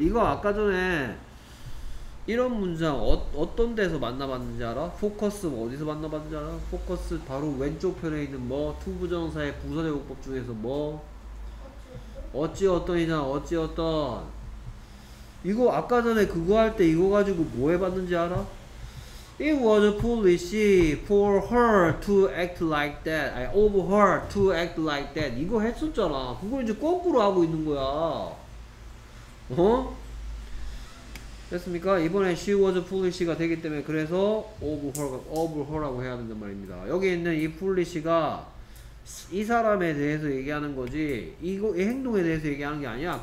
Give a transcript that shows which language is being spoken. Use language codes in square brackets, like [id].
[ko] 이거 아까 전에 이런 문장 어떤 데서 만나봤는지 알아? 포커스 어디서 만나봤는지 알아? 포커스 바로 왼쪽 편에 있는 뭐 투부정사의 부사제곱법 중에서 뭐 어찌어떤이잖아, 어찌어떤. 이거 아까 전에 그거 할 때 이거 가지고 뭐 해봤는지 알아? [en] It was foolish for her to act like that. Of her to act like that. [ko] 이거 했었잖아. 그걸 이제 거꾸로 하고 있는 거야. 어? 됐습니까? 이번에 [en] she was foolish [ko] 가 되기 때문에 그래서 [en] of her [ko] 라고 해야 된단 말입니다. 여기 있는 이 foolish가 이 사람에 대해서 얘기하는 거지 이거 이 행동에 대해서 얘기하는 게 아니야.